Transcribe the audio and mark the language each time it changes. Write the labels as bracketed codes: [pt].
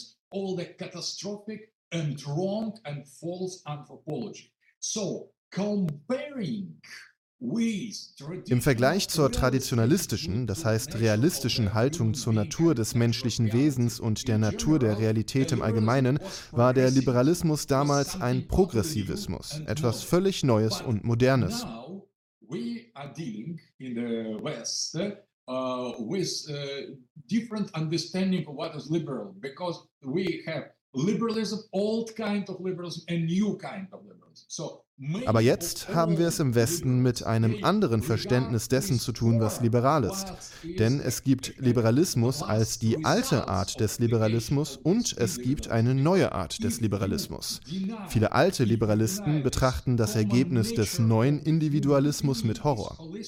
[en] All the catastrophic and wrong and false anthropology. So, comparing with [de] im Vergleich zur traditionalistischen, das heißt realistischen Haltung zur Natur des menschlichen Wesens und der Natur der Realität im Allgemeinen, war der Liberalismus damals ein Progressivismus, etwas völlig Neues und Modernes. [en] We are dealing in the West with different understanding of what is liberal, because we have liberalism, old kind of liberalism, and new kind of liberalism. So [de] Aber jetzt haben wir es im Westen mit einem anderen Verständnis dessen zu tun, was liberal ist. Denn es gibt Liberalismus als die alte Art des Liberalismus und es gibt eine neue Art des Liberalismus. Viele alte Liberalisten betrachten das Ergebnis des neuen Individualismus mit Horror.